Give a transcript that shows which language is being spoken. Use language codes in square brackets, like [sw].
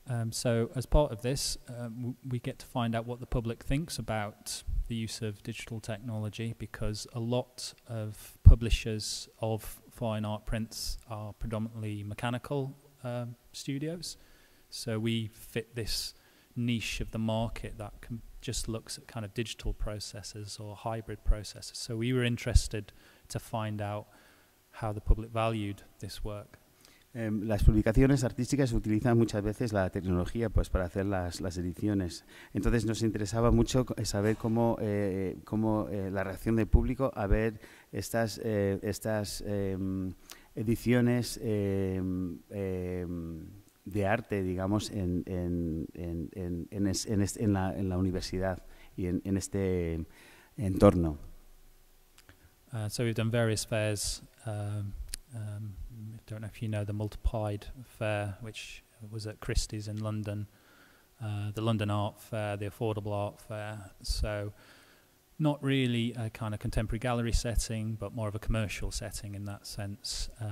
[en] So as part of this, we get to find out what the public thinks about the use of digital technology, because a lot of publishers of fine art prints are predominantly mechanical studios. So we fit this niche of the market that just looks at kind of digital processes or hybrid processes. So we were interested to find out how the public valued this work. [es] Las publicaciones artísticas utilizan muchas veces la tecnología pues para hacer las ediciones. Entonces nos interesaba mucho saber cómo la reacción del público a ver estas ediciones de arte, digamos, en la universidad y en este entorno. [en] So we've done various fairs. I don't know if you know the Multiplied Fair, which was at Christie's in London, the London Art Fair, the Affordable Art Fair. So not really a kind of contemporary gallery setting, but more of a commercial setting in that sense.